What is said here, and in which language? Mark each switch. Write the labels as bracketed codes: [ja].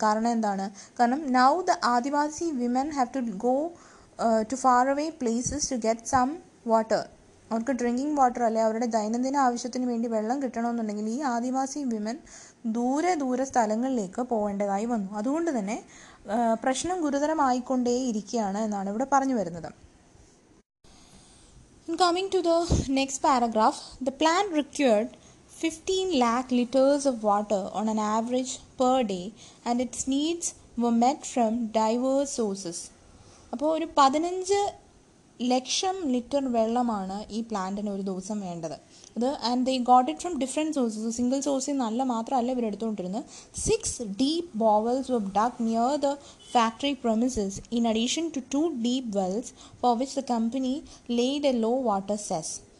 [ml] കാരണം എന്താണ്, കാരണം [en] Now the adivasi women have to go to far away places to get some water. [ml] അവർക്ക് [en] drinking water [ml] അല്ലെ, അവരുടെ ദൈനംദിന ആവശ്യത്തിന് വേണ്ടി വെള്ളം കിട്ടണമെന്നുണ്ടെങ്കിൽ ഈ ആദിവാസി വിമൻ ദൂരെ ദൂരെ സ്ഥലങ്ങളിലേക്ക് പോകേണ്ടതായി വന്നു. അതുകൊണ്ട് തന്നെ പ്രശ്നം ഗുരുതരമായിക്കൊണ്ടേയിരിക്കുകയാണ് എന്നാണ് ഇവിടെ പറഞ്ഞു വരുന്നത്. [en] In coming to the next paragraph, the plan required 15 lakh liters of water on an average per day and its needs were met from diverse sources. [ml] അപ്പോൾ ഒരു 15 ലക്ഷം ലിറ്റർ വെള്ളമാണ് ഈ പ്ലാന്റിന് ഒരു ദിവസം വേണ്ടത്. [en] അത് and they got it from different sources. [ml] Single സോഴ്സിൽ നല്ല മാത്രമല്ല ഇവർ എടുത്തുകൊണ്ടിരുന്നത്. [en] 6 deep bore wells were dug near the factory premises in addition to 2 deep wells for which the company laid a low water cess.